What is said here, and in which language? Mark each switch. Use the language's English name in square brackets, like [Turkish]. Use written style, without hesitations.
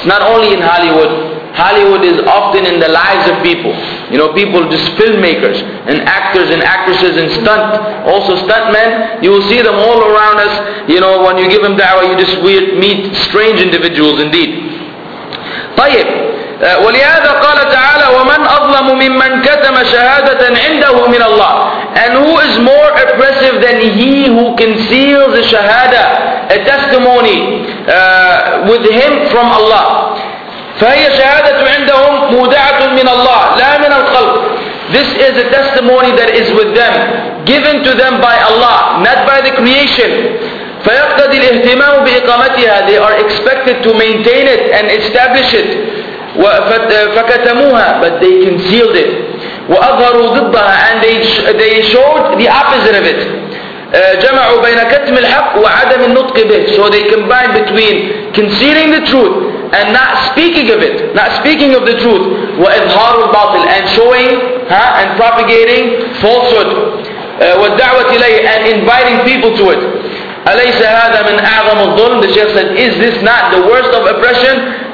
[English] not only in Hollywood. Hollywood is often in the lives of people. You know, people, just filmmakers and actors and actresses and stunt, also stuntmen. You will see them all around us. You know, when you give them da'wah, you just weird, meet strange individuals indeed. [Arabic] طيب ولهذا قال تعالى ومن أظلم ممن كتم شهادة عنده من الله. [English] And who is more oppressive than he who conceals a shahada, a testimony with him from Allah. [Arabic] فهي شهادة عندهم مودعة من الله لا من الخلق. [English] This is a testimony that is with them, given to them by Allah, not by the creation. [Arabic] فيقتضي الاهتمام بإقامتها. [English] They are expected to maintain it and establish it. [Arabic] فكتموها, [English] but they concealed it. [Arabic] وأظهروا ضدها, [English] and they showed the opposite of it. [Arabic] جمعوا بين كتم الحق وعدم النطق به. [English] So they combined between concealing the truth and not speaking of it, not speaking of the truth, [Arabic] وإظهار الباطل, [English] and showing and propagating falsehood. [Arabic] والدعوة إليه, [English] and inviting people to it. [Arabic] أليس هذا من أعظم الظلم؟ [English] The Shaykh said, is this not the worst of oppression?